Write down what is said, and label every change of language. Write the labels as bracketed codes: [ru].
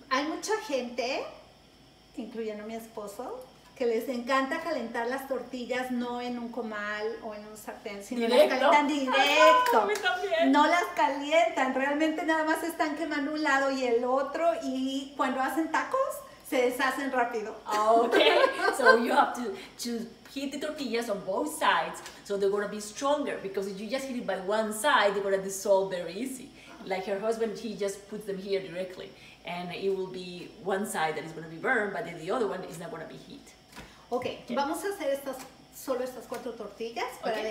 [es] Hay mucha gente, incluyendo mi esposo, que les encanta calentar las tortillas no en un comal o en un sartén, sino ¿directo? Las calientan directo. Ay, no, a mí también. No las calientan, realmente nada más están quemando un lado y el otro, y cuando hacen tacos se deshacen rápido. [en] Okay, so you have to heat the tortillas on both sides, so they're gonna be stronger, because if you just heat it by one side, they're gonna dissolve very easy. Like her husband, he just puts them here directly. And it will be one side that is going to be burned, but then the other one is not going to be heat. Okay, okay. [es] Vamos a hacer solo estas cuatro tortillas para okay.